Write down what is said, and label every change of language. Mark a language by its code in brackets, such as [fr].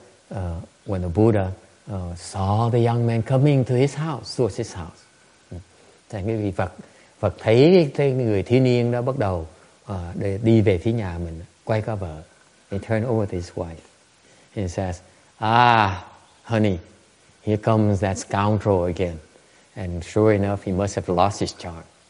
[en] And so when the Buddha saw the young man coming to his house, towards his house. [vi] Thành cái vị Phật thấy cái người thiếu niên đó bắt đầu đi về phía nhà mình, quay qua vợ. [en] He turned over to his wife. He says, "Ah, honey, here comes that scoundrel again." And sure enough, he must have lost his charm.